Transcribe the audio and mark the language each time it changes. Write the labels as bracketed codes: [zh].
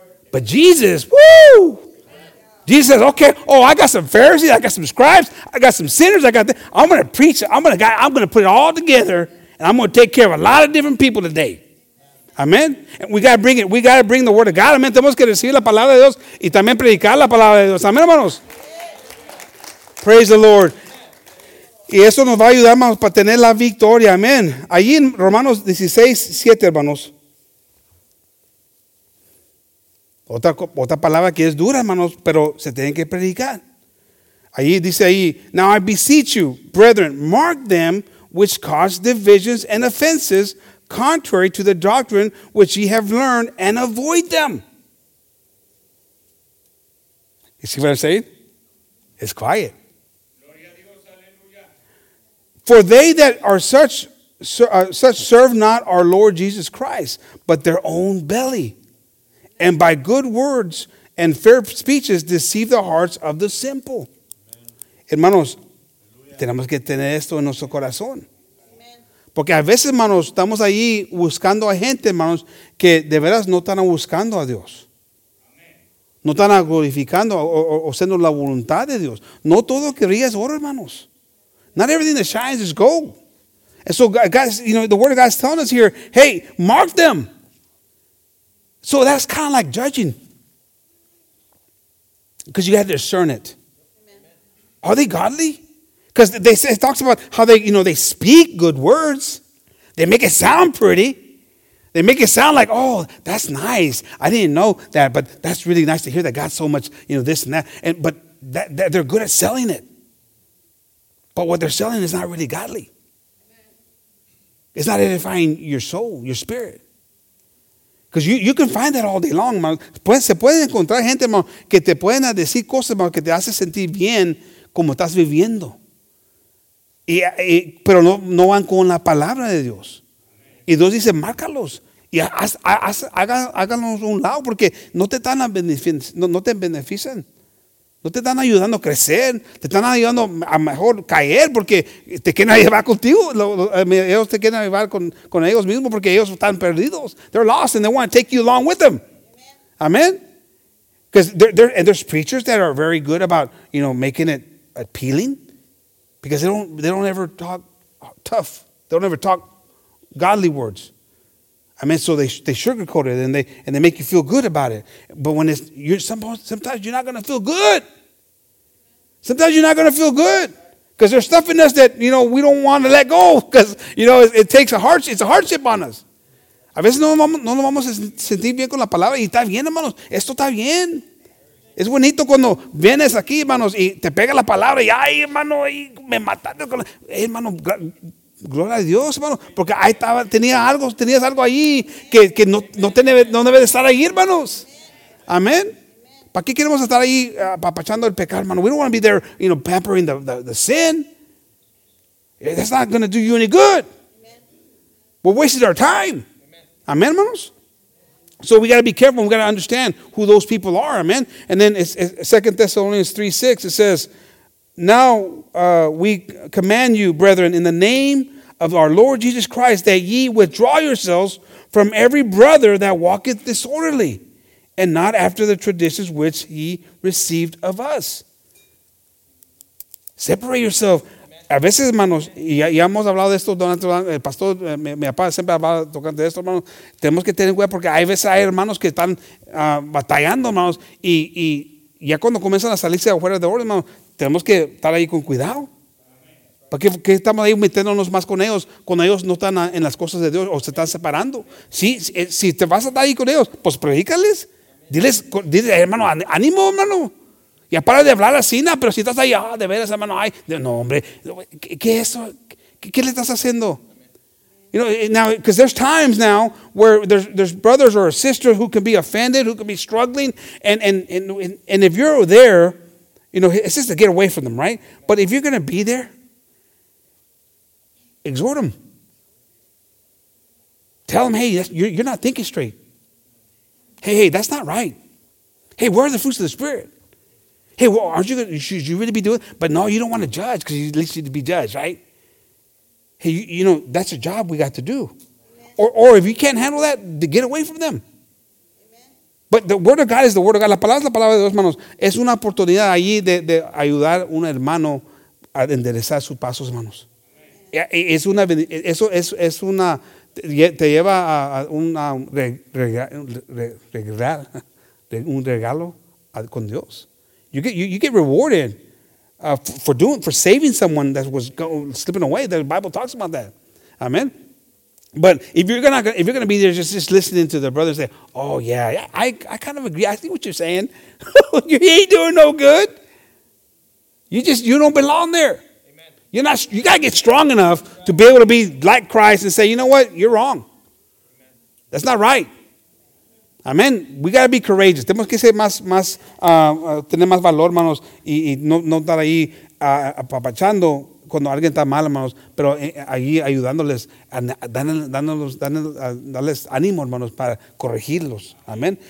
[en] But Jesus, woo! Jesus says, okay, oh, I got some Pharisees, I got some scribes, I got some sinners, I'm going to preach, I'm going to put it all together, and I'm going to take care of a lot of different people today. Amen? And we got to bring it, we got to bring the word of God, amen? [es] Tenemos que recibir la palabra de Dios y también predicar la palabra de Dios. Amen, hermanos? [en] Praise the Lord. [es] Y eso nos va a ayudar, hermanos, para tener la victoria, amen? Allí en Romanos 16:7, hermanos, otra palabra que es dura, hermanos, pero se tiene que predicar. Ahí dice ahí, [en] now I beseech you, brethren, mark them which cause divisions and offenses contrary to the doctrine which ye have learned and avoid them. You see what I'm saying? It's quiet. For they that are such serve not our Lord Jesus Christ, but their own belly. And by good words and fair speeches deceive the hearts of the simple. [es] Amen. Hermanos, Aleluya. Tenemos que tener esto en nuestro corazón. Amen. Porque a veces, hermanos, estamos ahí buscando a gente, hermanos, que de veras no están buscando a Dios. Amen. No están glorificando o siendo la voluntad de Dios. No todo que brilla es oro, hermanos. [en] Not everything that shines is gold. And so, guys, you know, the word of God is telling us here, hey, mark them. So that's kind of like judging. Because you got to discern it. Amen. Are they godly? Because it talks about how they, you know, they speak good words. They make it sound pretty. They make it sound like, oh, that's nice. I didn't know that, but that's really nice to hear that God so much, you know, this and that. But they're good at selling it. But what they're selling is not really godly. Amen. It's not edifying your soul, your spirit. Because you can find that all day long, man. [es] Se puede encontrar gente, man, que te pueden decir cosas, man, que te hace sentir bien como estás viviendo. Y pero no van con la palabra de Dios. Y Dios dice, márcalos. Y háganlos un lado porque no te están benefician. No te están ayudando a crecer. Te están ayudando a mejor caer porque te quieren llevar contigo. Ellos te quieren llevar con ellos mismos porque ellos están perdidos. [en] They're lost and they want to take you along with them. Amen. Because there's preachers that are very good about, you know, making it appealing because they don't ever talk tough. They don't ever talk godly words. I mean, so they sugarcoat it and they make you feel good about it. But when it's sometimes you're not going to feel good. Sometimes you're not going to feel good because there's stuff in us that, you know, we don't want to let go because, you know, it takes a hardship. It's a hardship on us. [es] A veces no vamos a sentir bien con la palabra. Y está bien, hermanos. Esto está bien. Es bonito cuando vienes aquí, hermanos, y te pega la palabra. Y, ay, hermano, y me mataste. Hermano, gloria a Dios, hermano, porque ahí estaba, tenías algo ahí que no debe de estar ahí, hermanos. Amén. ¿Para qué queremos estar ahí apapachando el pecado, hermano? [en] We don't want to be there, you know, pampering the sin. That's not going to do you any good. Amen. We're wasting our time. Amen, amen, hermanos? So we got to be careful. We got to understand who those people are. Amen. And then it's 2 Thessalonians 3:6, it says, now we command you, brethren, in the name of our Lord Jesus Christ, that ye withdraw yourselves from every brother that walketh disorderly, and not after the traditions which he received of us. Separate yourself. [es] A veces, hermanos, y hemos hablado de esto, el pastor, mi papá siempre ha hablado tocante de esto, hermanos. Tenemos que tener cuidado porque hay veces hay hermanos que están batallando, hermanos, y ya cuando comienzan a salirse afuera de orden, hermanos, tenemos que estar ahí con cuidado. Porque qué estamos ahí metiéndonos más con ellos cuando ellos no están en las cosas de Dios o se están separando? Si te vas a estar ahí con ellos, pues predícales. Dile, hermano, ánimo, hermano. Ya para de hablar así, ¿no? Pero si estás ahí, de veras, hermano, ay, no, hombre, ¿qué es eso? ¿Qué le estás haciendo? [en] You know, now, because there's times now where there's brothers or sisters who can be offended, who can be struggling, and if you're there, you know, it's just to get away from them, right? But if you're going to be there, exhort them. Tell them, hey, you're not thinking straight. Hey, that's not right. Hey, where are the fruits of the Spirit? Hey, well, aren't you going to, should you really be doing it? But no, you don't want to judge because you at least need to be judged, right? Hey, you know, that's a job we got to do. Amen. Or if you can't handle that, get away from them. Amen. But the word of God is the word of God. [es] La palabra es la palabra de Dios, hermanos. Es una oportunidad allí de ayudar a un hermano a enderezar sus pasos, hermanos. Amen. Es una, eso es una, te lleva a una, un regalo con Dios. [en] You get rewarded for saving someone that was slipping away. The Bible talks about that, amen. But if you're gonna be there just listening to the brothers say, oh yeah, I kind of agree. I see what you're saying. You ain't doing no good. You don't belong there. Amen. You're not. You gotta get strong enough to be able to be like Christ and say, you know what, you're wrong. Amen. That's not right. Amen. We got to be courageous. [es] Tenemos que ser más tener más valor, hermanos, y no estar ahí apapachando cuando alguien está mal, hermanos, pero ahí ayudándoles, dándoles ánimo, hermanos, para corregirlos. Amén.